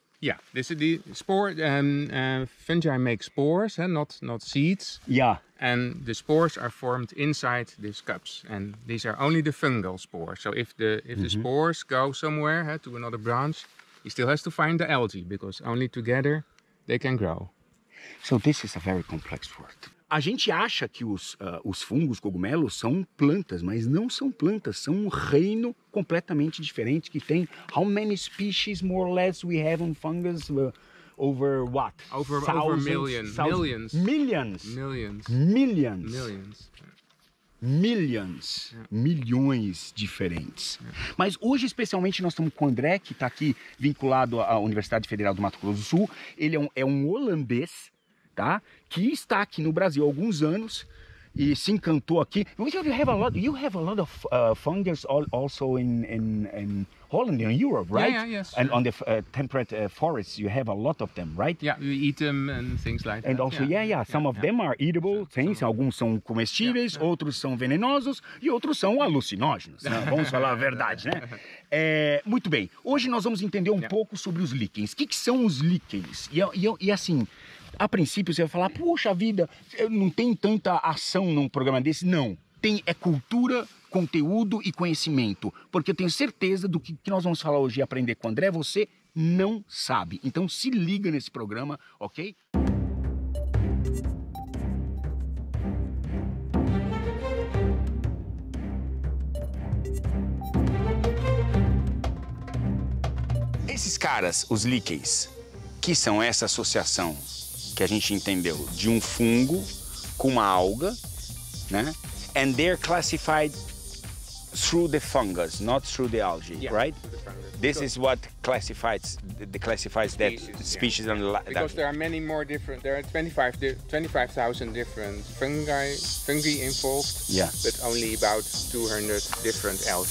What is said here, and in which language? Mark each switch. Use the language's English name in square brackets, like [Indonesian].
[English] Yeah, this is the spore. Fungi make spores, and not seeds. Yeah. And the spores are formed inside these cups, and these are only the fungal spores. So if the spores go somewhere to another branch, he still has to find the algae, because only together they can grow. So this is a very complex word. [Portuguese] A gente acha que os fungos, cogumelos, são plantas, mas não são plantas, são um reino completamente diferente que tem... [English] How many species, more or less, we have on fungus? Over what? Over a million. Millions. Millions. Millions. Millions. Millions. Millions. Yeah. [Portuguese] Milhões diferentes. [English] Yeah. [Portuguese] Mas hoje, especialmente, nós estamos com o André, que está aqui vinculado à Universidade Federal do Mato Grosso do Sul. Ele é um holandês, tá? Que está aqui no Brasil há alguns anos e se encantou aqui. [English] You have a lot of fungus also in Holland, in Europe, right? Yeah, yes. And on the temperate forests, you have a lot of them, right? Yeah, you eat them and things like that. And also, some of them are eatable, things. [Portuguese] Alguns são comestíveis, outros são venenosos e outros são alucinógenos. Né? Vamos falar a verdade, né? Muito bem, hoje nós vamos entender um pouco sobre os líquens. O que, que são os líquens? E assim, a princípio você vai falar, poxa vida, não tem tanta ação num programa desse? Não, tem é cultura... conteúdo e conhecimento, porque eu tenho certeza do que nós vamos falar hoje e aprender com o André, você não sabe. Então se liga nesse programa, ok? Esses caras, os líquens, que são essa associação que a gente entendeu de um fungo com uma alga, né? [English] And they're classified through the fungus, not through the algae, right? This is what classifies species, that species. Yeah. There are many more different, there are 25,000 different fungi involved, but only about 200 different algae.